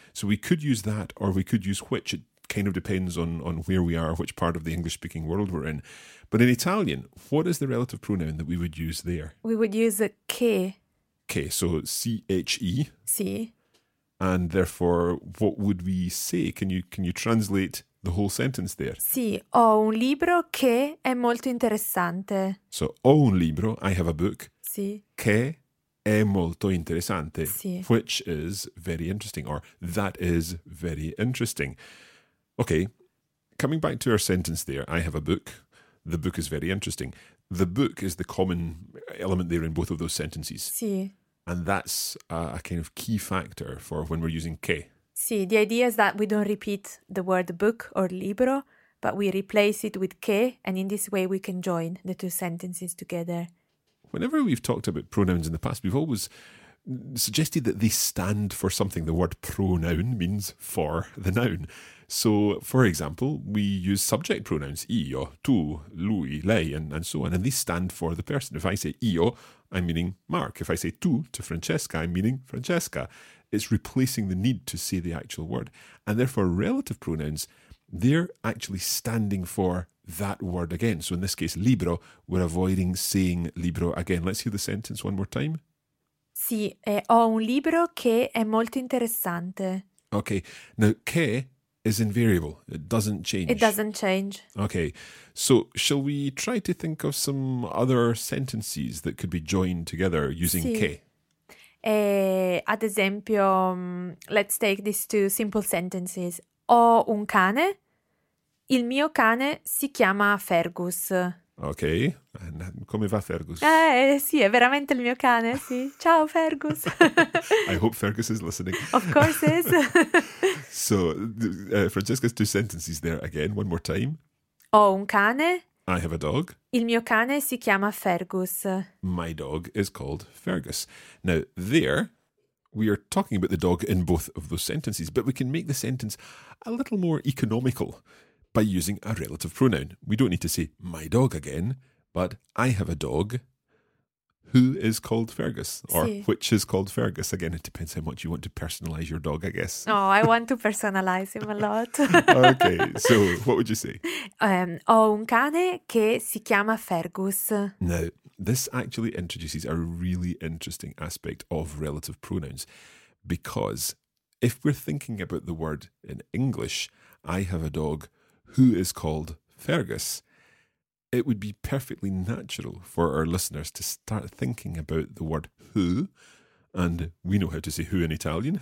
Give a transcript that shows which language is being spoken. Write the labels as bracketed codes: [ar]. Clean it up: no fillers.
[en] So we could use that or we could use which. It kind of depends on where we are, which part of the English-speaking world we're in. But in Italian, what is the relative pronoun that we would use there? We would use che. Che, so C-H-E. [it] Sì. [en] And therefore, what would we say? Can you translate the whole sentence there? [it] Sì, ho un libro che è molto interessante. [en] So, [it] ho un libro, [en] I have a book, [it] sì. Che è molto interessante, sì. [en] Which is very interesting, or that is very interesting. Okay, coming back to our sentence there, I have a book, the book is very interesting. The book is the common element there in both of those sentences. [it] Sì. [en] And that's a kind of key factor for when we're using che. Sì, the idea is that we don't repeat the word book or libro, but we replace it with che, and in this way we can join the two sentences together. Whenever we've talked about pronouns in the past, we've always suggested that they stand for something. The word pronoun means for the noun. So, for example, we use subject pronouns, io, tu, lui, lei, and so on, and they stand for the person. If I say io, I'm meaning Mark. If I say tu to Francesca, I'm meaning Francesca. It's replacing the need to say the actual word. And therefore, relative pronouns, they're actually standing for that word again. So in this case, libro, we're avoiding saying libro again. Let's hear the sentence one more time. [it] Sì, ho un libro che è molto interessante. [en] Okay, now che is invariable. It doesn't change. It doesn't change. Okay, so shall we try to think of some other sentences that could be joined together using [it] sì. Che? Ad esempio, [en] let's take these two simple sentences. [it] Ho un cane. Il mio cane si chiama Fergus. [en] Okay, and [it] come va [en] Fergus? [it] Sì, è veramente il mio cane, sì. Ciao, Fergus. [en] I hope Fergus is listening. Of course he is. So, Francesca's two sentences there again, one more time. [it] Ho un cane. [en] I have a dog. [it] Il mio cane si chiama Fergus. [en] My dog is called Fergus. Now, there, we are talking about the dog in both of those sentences, but we can make the sentence a little more economical by using a relative pronoun. We don't need to say my dog again, but I have a dog who is called Fergus, or [it] sì. [en] Which is called Fergus. Again, it depends how much you want to personalize your dog, I guess. Oh, I want to personalize him a lot. Okay, so what would you say? [it] Ho un cane che si chiama Fergus. [en] Now, this actually introduces a really interesting aspect of relative pronouns, because if we're thinking about the word in English, I have a dog who is called Fergus, it would be perfectly natural for our listeners to start thinking about the word who, and we know how to say who in Italian.